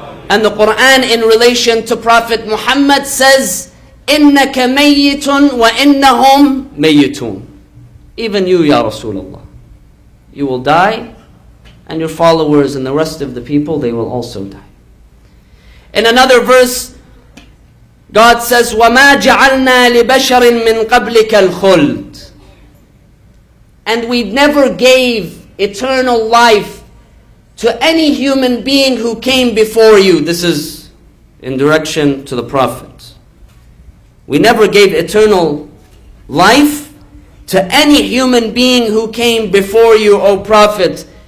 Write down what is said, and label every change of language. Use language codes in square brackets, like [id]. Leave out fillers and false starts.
[en] And the Quran in relation to Prophet Muhammad says, [ar] "Innaka mayyitun wa innahum mayyitun." [en] Even you, Ya Rasulullah, you will die, and your followers and the rest of the people, they will also die. In another verse, God says, [ar] وَمَا جَعَلْنَا لِبَشَرٍ مِّن قَبْلِكَ الْخُلْدِ. [en] And we never gave eternal life to any human being who came before you. This is in direction to the Prophet. We never gave eternal life to any human being who came before you, O Prophet.